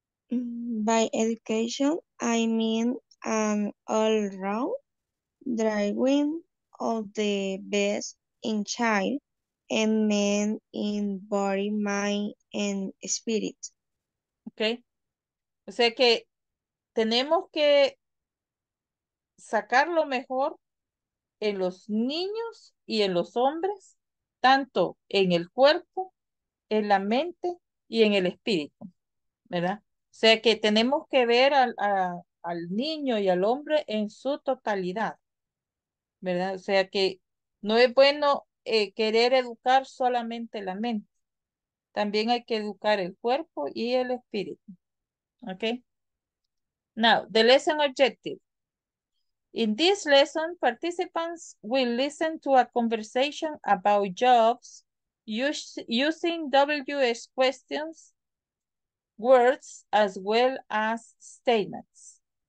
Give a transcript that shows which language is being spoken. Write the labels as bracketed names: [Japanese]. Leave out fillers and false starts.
[English] By education, I mean an all-round driving of the best in child and man in body, mind, and spirit. Okay. [Spanish] O sea que tenemos que sacar lo mejor en los niños y en los hombres, tanto en el cuerpo, en la mente y en el espíritu, ¿verdad? O sea que tenemos que ver al niño y al hombre en su totalidad, ¿verdad? O sea que no es bueno querer educar solamente la mente. También hay que educar el cuerpo y el espíritu. [English] ¿Ok? Now, the lesson objective. In this lesson, participants will listen to a conversation about jobs using WH questions, words, as well as statements.